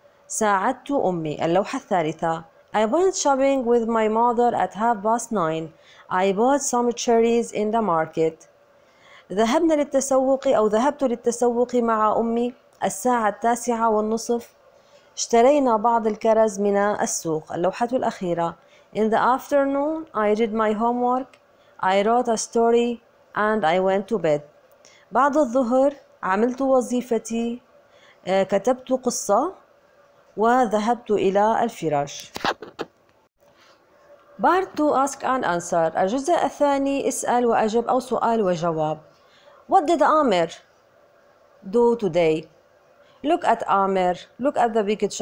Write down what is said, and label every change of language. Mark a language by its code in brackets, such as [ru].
[ar] ساعدت أمي. اللوحة الثالثة [en] I went shopping with my mother at half past nine. I bought some cherries in the market. [ar] ذهبنا للتسوق أو ذهبت للتسوق مع أمي الساعة التاسعة والنصف. اشترينا بعض الكرز من السوق. اللوحة الأخيرة [en] In the afternoon, I did my homework, I wrote a story, and I went to bed. [ar] بعد الظهر عملت وظيفتي، كتبت قصة، وذهبت إلى الفراش. [en] Part 2 Ask and Answer. [ar] الجزء الثاني اسأل وأجب أو سؤال وجواب. [en] What did Amir do today? Look at Amir. Look at the picture.